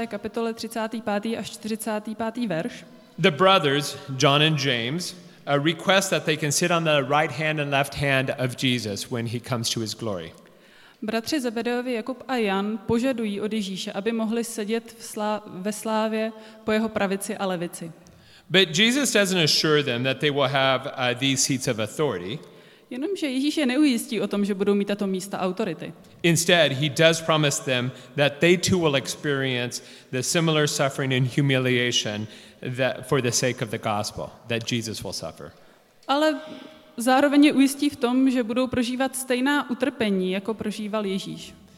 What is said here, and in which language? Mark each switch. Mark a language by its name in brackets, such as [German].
[Czech] kapitole 35. až 45. verš. [English] The brothers John and James request that they can sit on the right hand and left hand of Jesus when he comes to his glory. [Czech] Bratři Zebedeovi Jakub a Jan požadují od Ježíše, aby mohli sedět ve slávě po jeho pravici a levici. [English] But Jesus doesn't assure them that they will have these seats of authority. [Czech] Jenomže Ježíš je neujistí o tom, že budou mít tato místa autority. [English] Instead, he does promise them that they too will experience the similar suffering and humiliation that for the sake of the gospel that Jesus will suffer. [Czech] Ale zároveň je ujistí v tom, že budou prožívat stejná utrpení, jako prožíval Ježíš.